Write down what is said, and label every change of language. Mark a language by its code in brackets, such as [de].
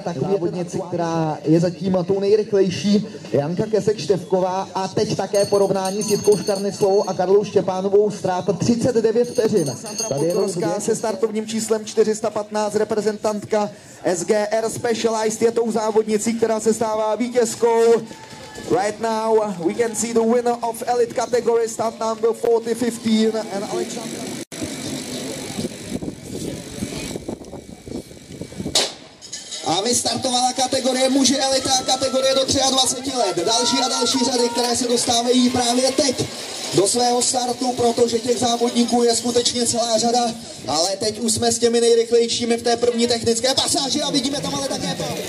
[cs] Tak závodnici, která je zatím tou nejrychlejší, Janka Kesek-Štěpková a teď také porovnání s Jitkou Škarneclovou a Karlou Štěpánovou, ztráta 39 vteřin. Tady je Ruská se startovním číslem 415, reprezentantka SGR Specialized je tou závodnicí, která se stává vítězkou. [en] Right now, we can see the winner of Elite category, start number 40-15, and Alexandra... [cs] A vystartovala kategorie muže Elite a kategorie do 23 let. Další a další řady, které se dostávají právě teď do svého startu, protože těch závodníků je skutečně celá řada, ale teď už jsme s těmi nejrychlejšími v té první technické pasáži a vidíme tam ale také to.